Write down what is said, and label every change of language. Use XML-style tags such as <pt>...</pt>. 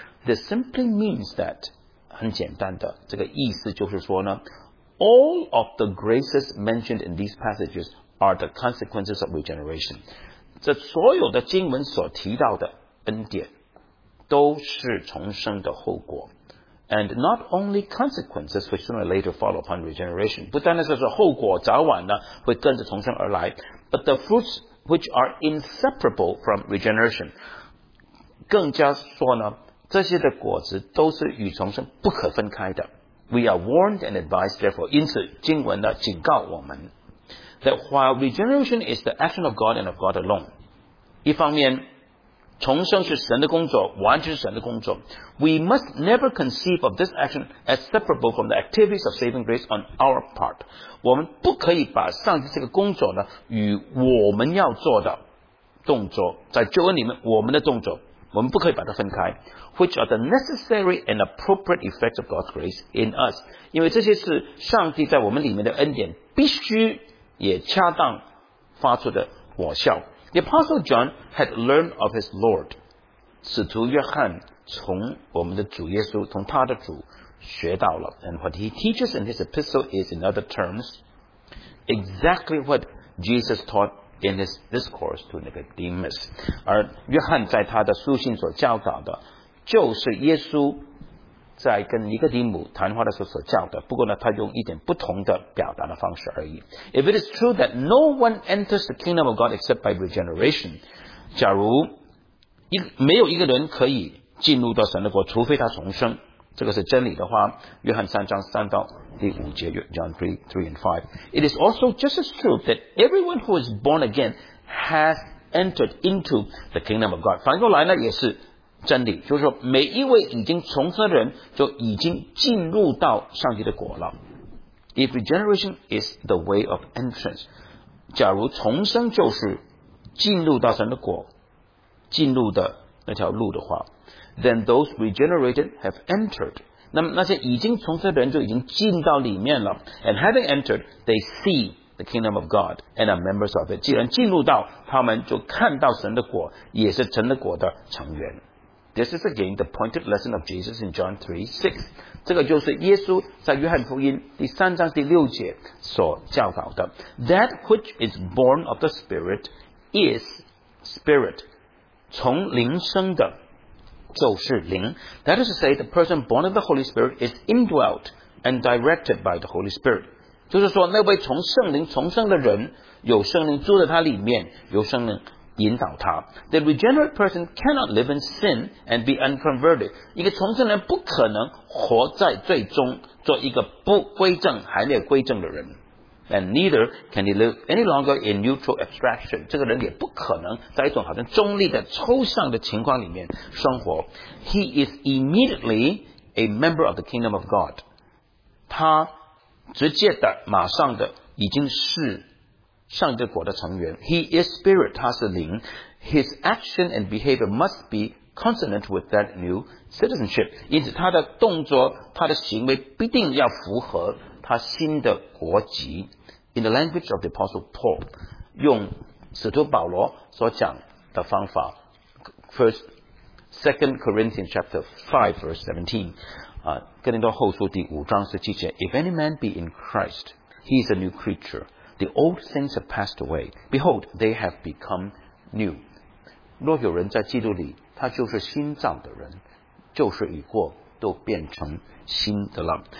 <en>This simply means that</en> <zh>很简单的这个意思就是说呢</zh> <en>，all of the graces mentioned in these passages are the consequences of regeneration。</en> <zh>这所有的经文所提到的恩典都是重生的后果。</zh> <en>And not only consequences which sooner or later follow upon regeneration,</en> <zh>不单单是后果早晚呢会跟着重生而来</zh> <en>but the fruits which are inseparable from regeneration,</en> <zh>更加说呢这些的果子都是与重生不可分开的。</zh> <en>We are warned and advised therefore,</en> <zh>因此经文呢警告我们</zh> <en>that while regeneration is the action of God and of God alone,</en> <zh>一方面重生是神的工作，</zh> <en>完全是神的工作。 We must never conceive of this action as separable from the activities of saving grace on our part.</en> <zh>我们不可以把上帝这个工作呢，与我们要做的动作，在救恩里面我们的动作，我们不可以把它分开。</zh> <en>Which are the necessary and appropriate effects of God's grace in us?</en> <zh>因为这些是上帝在我们里面的恩典，必须也恰当发出的果效。</zh> <en>The Apostle John had learned of his Lord.</en> <zh>使徒约翰从我们的主耶稣，从他的主学到了。</zh> <en>And what he teaches in his epistle is, in other terms, exactly what Jesus taught in his discourse to Nicodemus.</en> <zh>而约翰在他的书信所教导的，就是耶稣在跟尼哥底母谈话的时候所教的，不过呢，他用一点不同的表达的方式而已。</zh> <en>If it is true that no one enters the kingdom of God except by regeneration,</en> <zh>假如没有一个人可以进入到神的国，除非他重生，这个是真理的话，约翰三章三到第五节 ，John 3:3-5。</zh> <en>It is also just as true that everyone who is born again has entered into the kingdom of God.</en> <zh>反过来呢，也是。真理就是说每一位已经重生的人就已经进入到上帝的国了。</zh> <en>If regeneration is the way of entrance,</en> <zh>假如重生就是进入到神的国进入的那条路的话</zh> <en>then those regenerated have entered.</en> <zh>那么那些已经重生的人就已经进到里面了</zh> <en>and having entered, they see the kingdom of God and are members of it.</en> <zh>既然进入到他们就看到神的国也是神的国的成员。</zh> <en>This is again the pointed lesson of Jesus in John 3:6.</en> <zh>这个就是耶稣在约翰福音第三章第六节所教导的。</zh> <en>That which is born of the Spirit is Spirit.</en> <zh>从灵生的就是灵。</zh> <en>That is to say, the person born of the Holy Spirit is indwelt and directed by the Holy Spirit.</en> <zh>就是说那位从圣灵重生的人有圣灵住在他里面有圣灵引导他</zh> <en>The regenerate person cannot live in sin and be unconverted.</en> <zh>一个重生人不可能活在罪中做一个不归正还没有归正的人</zh> <en>And neither can he live any longer in neutral abstraction.</en> <zh>这个人也不可能在一种好像中立的抽象的情况里面生活</zh> <en>He is immediately a member of the kingdom of God.</en> <zh>他直接的马上的已经是上帝国的成员</zh> <en>He is spirit,</en> <zh>他是灵</zh> <en>His action and behavior must be consonant with that new citizenship</en> <zh>因此他的动作他的行为必定要符合他新的国籍</zh> <en>In the language of the Apostle Paul</en> <zh>用使徒保罗所讲的方法 2</zh> <en>Corinthians chapter 5 verse 17</en> <zh>哥林多后书第五章十七节</zh> <en>If any man be in Christ he is a new creature The old things have passed away. Behold, they have become new.</en> <zh>若有人在基督里，他就是新造的人，旧事已过，都变成新的了。</zh>